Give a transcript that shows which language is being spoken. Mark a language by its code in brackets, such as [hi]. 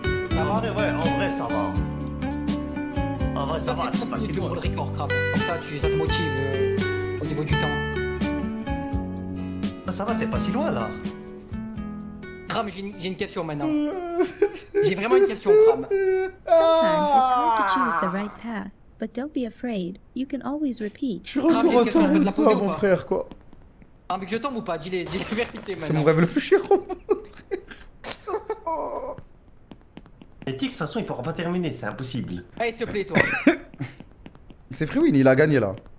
[fr] Ça va, mais ouais, en vrai, ça va. En vrai, ça va, c'est pas si loin. Ça, ça te motive au niveau du temps. Ça va, t'es pas si loin, là. Kram, j'ai une question maintenant. J'ai vraiment une question, Kram. [en] Sometimes it's hard to choose the right path. But don't be afraid, you can always repeat. [fr] Je retourne à toi, c'est pas mon frère, quoi. Ah, mais que je tombe ou pas, dis la vérité, maintenant. C'est mon rêve le plus cher au monde, frère. Et Tix, de toute façon, il pourra pas terminer, c'est impossible. Hey, s'il te plaît, toi. C'est Freewin, il a gagné, là.